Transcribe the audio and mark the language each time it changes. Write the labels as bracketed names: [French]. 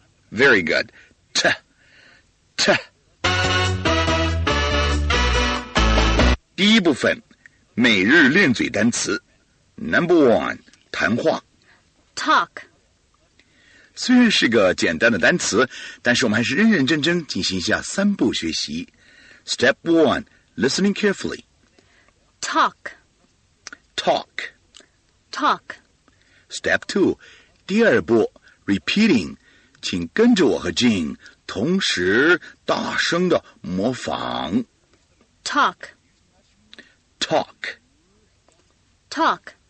[English] Very good， 恰恰。 [Chinese] 第一部分，每日练嘴单词 ， [English] Number One， [Chinese] 谈话 [English] ，Talk。 [Chinese] 虽然是个简单的单词，但是我们还是认认真真进行一下三步学习。 [English] Step one, listening carefully. Talk. Talk. Talk. Step two, [Chinese] 第二步 repeating, 请跟着我和 Jean 同时大声的模仿。 [English] Talk. Talk. Talk.